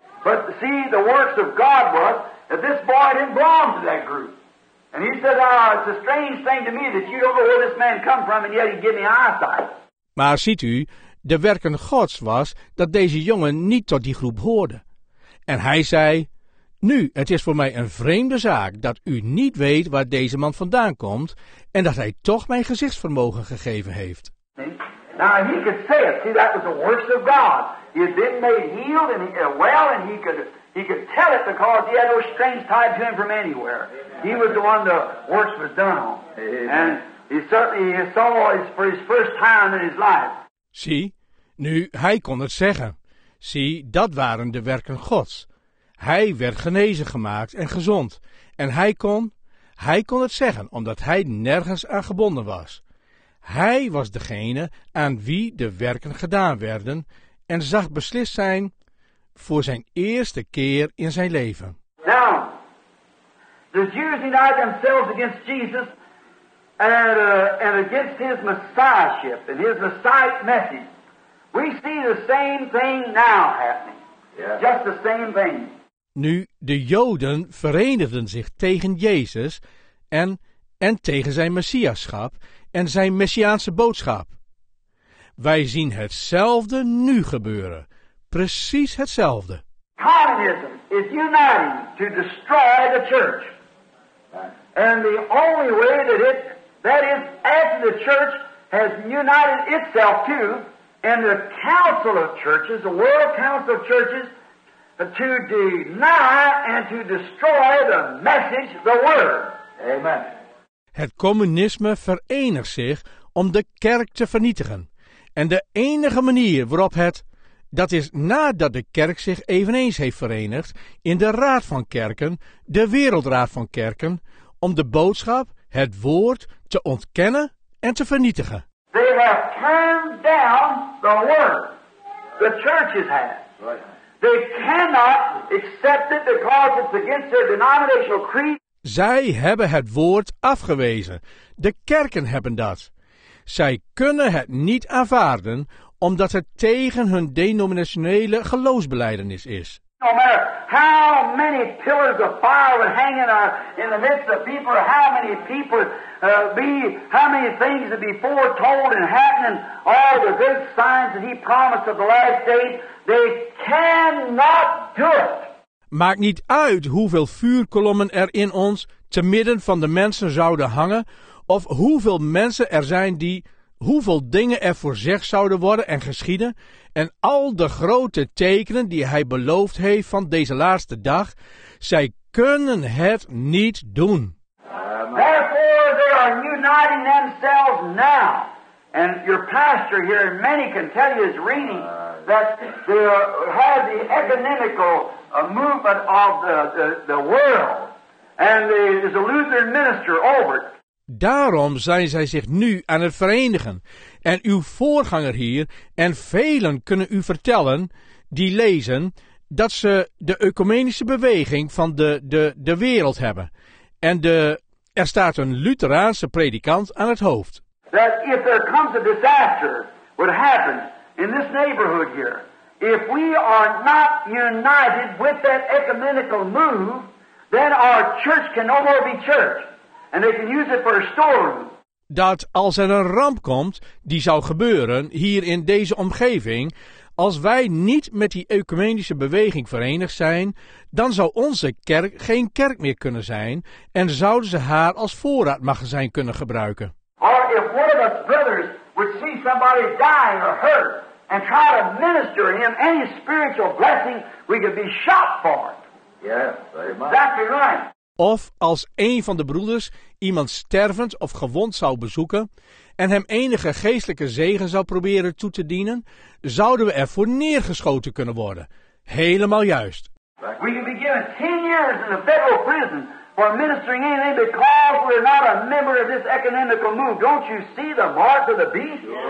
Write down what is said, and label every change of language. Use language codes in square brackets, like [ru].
[en] But see, the works of God was that this boy didn't belong to that group. And he said, it's a strange thing to me that you don't know where this man come from and yet he give me eyesight. [nl] Maar ziet u, de werken Gods was dat deze jongen niet tot die groep hoorde. En hij zei, nu, het is voor mij een vreemde zaak dat u niet weet waar deze man vandaan komt en dat hij toch mijn gezichtsvermogen gegeven heeft. [en] Now he could say it. See, that was the works of God. He had been made healed and well, and he could tell it because he had no strings tied to him from anywhere. He was the one the works was done on. And he certainly he saw it for his first time in his life. [nl] Zie, nu hij kon het zeggen. Zie, dat waren de werken Gods. Hij werd genezen gemaakt en gezond. En hij kon, Hij kon het zeggen omdat hij nergens aan gebonden was. Hij was degene aan wie de werken gedaan werden en zag beslist zijn voor zijn eerste keer in zijn leven. [en] Now, the Jews united themselves against Jesus and against his messiahship and his messiah message. We see the same thing now happening. Yeah. Just the same thing. [nl] Nu, de Joden verenigden zich tegen Jezus en tegen zijn messiaschap en zijn messiaanse boodschap. Wij zien hetzelfde nu gebeuren. Precies hetzelfde. [en] Communism is uniting to destroy the church. And the only way that it, that is, after the church has united itself to, and the council of churches, the world council of churches, to deny and to destroy the message, the word. Amen. [nl] Het communisme verenigt zich om de kerk te vernietigen. En de enige manier waarop het, dat is nadat de kerk zich eveneens heeft verenigd in de raad van kerken, de wereldraad van kerken, om de boodschap, het woord, te ontkennen en te vernietigen. [en] They have turned down the word. The churches have. Right. They cannot accept it because it's against their denominational creed. [nl] Zij hebben het woord afgewezen. De kerken hebben dat. Zij kunnen het niet aanvaarden omdat het tegen hun denominationele geloofsbelijdenis is. [en] No matter how many pillars of fire would hang in the midst of people, how many people be, how many things would be foretold and happening, all the good signs that he promised of the last days. They cannot do it. [nl] Maakt niet uit hoeveel vuurkolommen er in ons te midden van de mensen zouden hangen, of hoeveel mensen er zijn die, hoeveel dingen er voor zich zouden worden en geschieden, en al de grote tekenen die hij beloofd heeft van deze laatste dag, zij kunnen het niet doen. [en] Therefore they are uniting themselves now. And your pastor here in many can tell you is reading that they have the ecumenical movement of the world. And there is a Lutheran minister over it. [nl] Daarom zijn zij zich nu aan het verenigen. En uw voorganger hier en velen kunnen u vertellen die lezen dat ze de ecumenische beweging van de wereld hebben. En er staat een Lutheraanse predikant aan het hoofd. [en] That if there comes a disaster, what happens in this neighborhood here, if we are not united with that ecumenical move, then our church can no more be church. And they can use it for a storeroom. [nl] Dat als er een ramp komt, die zou gebeuren hier in deze omgeving, als wij niet met die ecumenische beweging verenigd zijn, dan zou onze kerk geen kerk meer kunnen zijn en zouden ze haar als voorraadmagazijn kunnen gebruiken. [en] Or if one of us brothers would see somebody dying or hurt and try to minister him any spiritual blessing, we could be shot for it. Yes, exactly right. [nl] Of als een van de broeders iemand stervend of gewond zou bezoeken en hem enige geestelijke zegen zou proberen toe te dienen, zouden we ervoor neergeschoten kunnen worden. Helemaal juist. [en] We could be given 10 years in a federal prison. For ministering anything because we're not a member of this ecumenical move. Don't you see the mark of the beast?